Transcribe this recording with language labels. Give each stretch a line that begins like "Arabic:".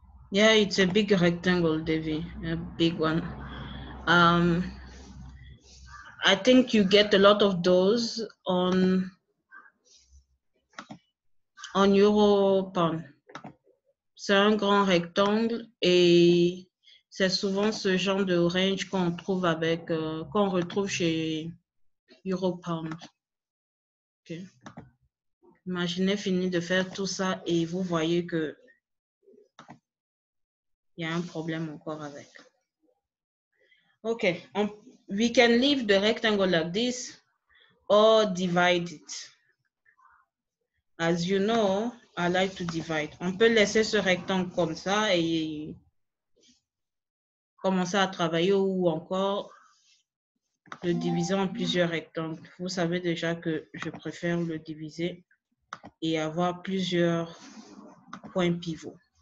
English: Yeah, it's a big rectangle, Devi, a big one. I think you get a lot of those on Europan.
French: C'est un grand rectangle et c'est souvent ce genre de range qu'on trouve avec, qu'on retrouve chez Europan. Okay. Imaginez fini de faire tout ça et vous voyez que il y a un problème encore avec. OK.
English: We can leave the rectangle like this or divide it. As you know, I like to divide.
French: On peut laisser ce rectangle comme ça et commencer à travailler ou encore le diviser en plusieurs rectangles. Vous savez déjà que je préfère le diviser et avoir plusieurs points pivots.